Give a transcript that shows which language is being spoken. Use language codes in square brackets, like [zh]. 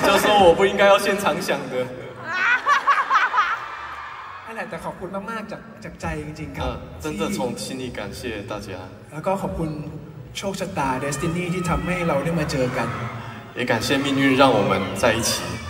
[zh] จะ说我不应该要现场想的 [th] นั่นแหละแต่ขอบคุณมากๆจากใจจริงๆครับ [zh] 真的从心里感谢大家 [th] แล้วก็ขอบคุณโชคชะตา Destiny ที่ทำให้เราได้มาเจอกัน [zh] 也感谢命运让我们在一起